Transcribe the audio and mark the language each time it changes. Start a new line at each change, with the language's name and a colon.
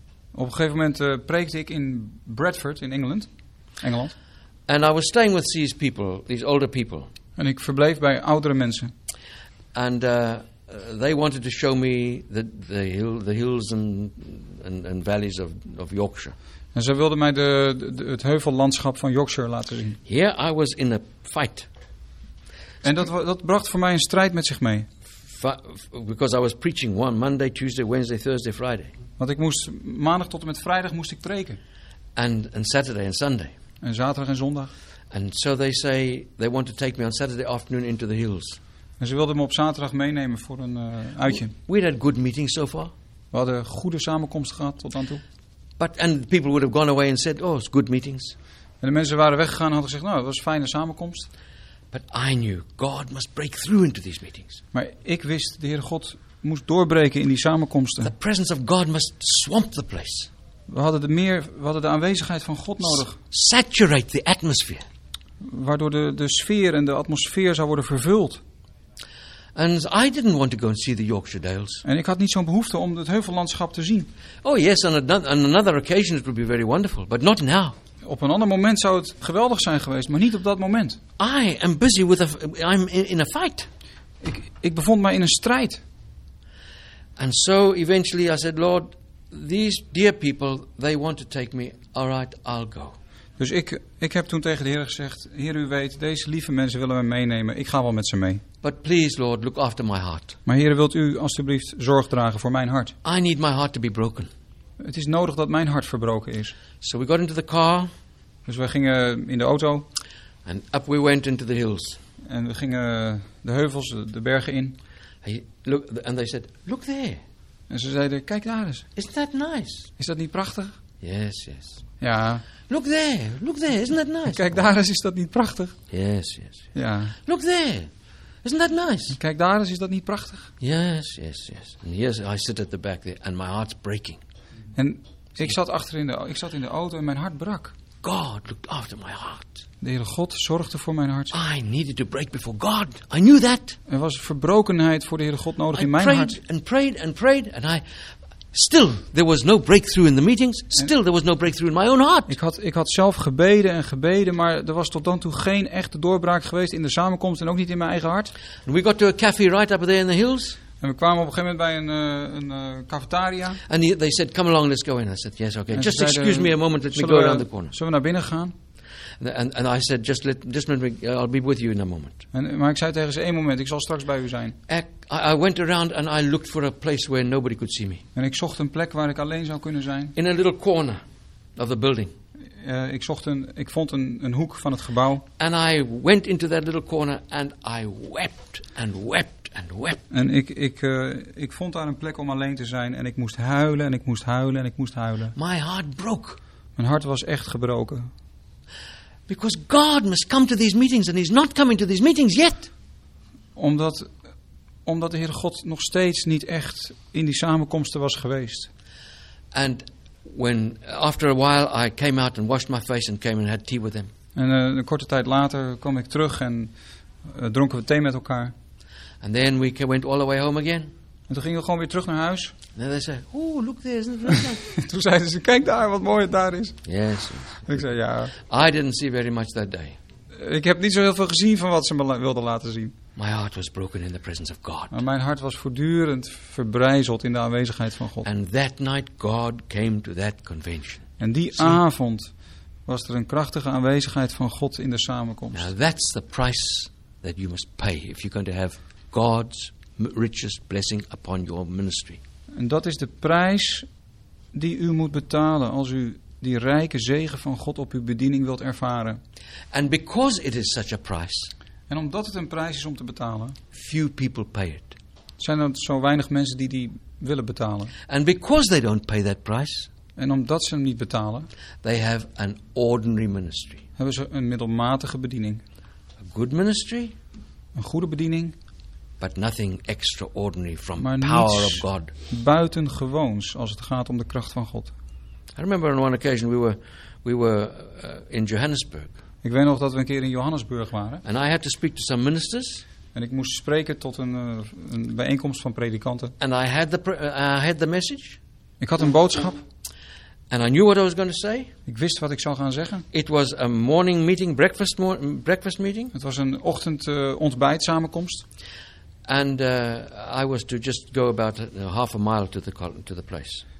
Dutch: Op een gegeven moment preekte ik in Bradford in Engeland. Engeland.
English: And I was staying with these people, these older people.
Dutch: En ik verbleef bij oudere mensen.
English: And they wanted to show me the hills and valleys of Yorkshire.
Dutch: En ze wilden mij het heuvellandschap van Yorkshire laten zien.
English: Here I was in a fight.
Dutch: En dat bracht voor mij een strijd met zich mee.
English: Because I was preaching one Monday, Tuesday, Wednesday, Thursday, Friday.
Dutch: Want ik moest maandag tot en met vrijdag moest ik preken.
English: And Saturday and Sunday.
Dutch: En zaterdag en zondag.
English: And so they say they want to take me on Saturday afternoon into the hills.
Dutch: En ze wilden me op zaterdag meenemen voor een uitje.
English: We had good meetings so far.
Dutch: We hadden goede samenkomsten gehad tot dan toe.
English: But and people would have gone away and said, oh, it's good meetings.
Dutch: En de mensen waren weggegaan en hadden gezegd, nou, het was een fijne samenkomst.
English: But I knew God must break through into these meetings.
Dutch: Maar ik wist, de Heere God moest doorbreken in die samenkomsten.
English: The presence of God must swamp the place.
Dutch: We hadden de aanwezigheid van God nodig.
English: Saturate the atmosphere.
Dutch: Waardoor de sfeer en de atmosfeer zou worden vervuld.
English: And I didn't want to go and see the Yorkshire Dales.
Dutch: En ik had niet zo'n behoefte om het heuvellandschap te zien.
English: Oh yes, on another occasion it would be very wonderful, but not now.
Dutch: Op een ander moment zou het geweldig zijn geweest, maar niet op dat moment.
English: I'm in a fight.
Dutch: Ik bevond mij in een strijd.
English: And so eventually I said, Lord, these dear people, they want to take me. All right, I'll go.
Dutch: Dus ik heb toen tegen de Heer gezegd, Heer, u weet, deze lieve mensen willen me meenemen. Ik ga wel met ze mee.
English: But please, Lord, look after my heart.
Dutch: Maar Heer, wilt u alstublieft zorg dragen voor mijn hart?
English: I need my heart to be broken.
Dutch: Het is nodig dat mijn hart verbroken is.
English: So we got into the car.
Dutch: Dus we gingen in de auto.
English: And up we went into the hills.
Dutch: En we gingen de heuvels, de bergen in.
English: And they said, look there.
Dutch: En ze zeiden, kijk daar eens.
English: Isn't that nice?
Dutch: Is dat niet prachtig?
English: Yes, yes.
Dutch: Ja.
English: Look there, isn't that nice?
Dutch: Kijk daar eens, is dat niet prachtig?
English: Yes, yes.
Dutch: Ja.
English: Look there, isn't that nice?
Dutch: Kijk daar eens, is dat niet prachtig?
English: Yes, yes, yes. And yes, I sit at the back there and my heart's breaking.
Dutch: En ik zat in de auto en mijn hart brak.
English: God looked after my heart.
Dutch: De Heere God zorgde voor mijn hart.
English: I needed to break before God. I knew that.
Dutch: Er was verbrokenheid voor de Heere God nodig in mijn hart.
English: I prayed and prayed and prayed and I... Still, there was no breakthrough in the meetings. Still, there was no breakthrough in my own heart.
Dutch: Ik had zelf gebeden en gebeden, maar er was tot dan toe geen echte doorbraak geweest in de samenkomst en ook niet in mijn eigen hart.
English: And we got to a cafe right up there in the hills.
Dutch: En we kwamen op een gegeven moment bij een cafetaria.
English: And they said, come along, let's go in. I said, yes, okay. And just excuse me a moment, let me go around the corner.
Dutch: Zullen we naar binnen gaan?
English: And I said, just let me, I'll be with you in a moment.
Dutch: Maar ik zei tegen ze, één moment, ik zal straks bij u zijn.
English: I went around and I looked for a place where nobody could see me.
Dutch: En ik zocht een plek waar ik alleen zou kunnen zijn.
English: In a little corner of the building.
Dutch: Ik vond een hoek van het gebouw.
English: And I went into that little corner and I wept and wept and wept.
Dutch: En ik vond daar een plek om alleen te zijn en ik moest huilen en ik moest huilen en ik moest huilen.
English: My heart broke.
Dutch: Mijn hart was echt gebroken.
English: Because God must come to these meetings and he's not coming to these meetings yet.
Dutch: Omdat de Heere God nog steeds niet echt in die samenkomsten was geweest.
English: And when after a while I came out and washed my face and came and had tea with him.
Dutch: En een korte tijd later kwam ik terug en dronken we thee met elkaar.
English: And then we went all the way home again.
Dutch: En toen gingen we gewoon weer terug naar huis.
English: And they said, oh, look there, isn't it lovely?
Dutch: Toen zeiden ze, kijk daar, wat mooi het daar is.
English: Yes.
Dutch: En ik zei, ja.
English: I didn't see very much that day.
Dutch: Ik heb niet zo heel veel gezien van wat ze me wilden laten zien.
English: My heart was broken in the presence of God.
Dutch: Maar mijn hart was voortdurend verbrijzeld in de aanwezigheid van God.
English: And that night God came to that convention.
Dutch: En die avond was er een krachtige aanwezigheid van God in de samenkomst.
English: Now that's the price that you must pay if you're going to have God's richest blessing upon your ministry.
Dutch: En dat is de prijs die u moet betalen als u die rijke zegen van God op uw bediening wilt ervaren.
English: And because it is such a price.
Dutch: En omdat het een prijs is om te betalen.
English: Few people pay it.
Dutch: Zijn er zo weinig mensen die willen betalen.
English: And because they don't pay that price.
Dutch: En omdat ze hem niet betalen.
English: They have an ordinary ministry.
Dutch: Hebben ze een middelmatige bediening.
English: A good ministry.
Dutch: Een goede bediening.
English: But nothing extraordinary from the power of God.
Dutch: Maar niets buitengewoons als het gaat om de kracht van God.
English: I remember on one occasion we were in Johannesburg.
Dutch: Ik weet nog dat we een keer in Johannesburg waren.
English: And I had to speak to some ministers.
Dutch: En ik moest spreken tot een bijeenkomst van predikanten.
English: And I had the message.
Dutch: Ik had een boodschap.
English: And I knew what I was going to say.
Dutch: Ik wist wat ik zou gaan zeggen.
English: It was a morning meeting, breakfast meeting.
Dutch: Het was een ochtend ontbijtsamenkomst.
English: And I was to just go about half a mile to the place.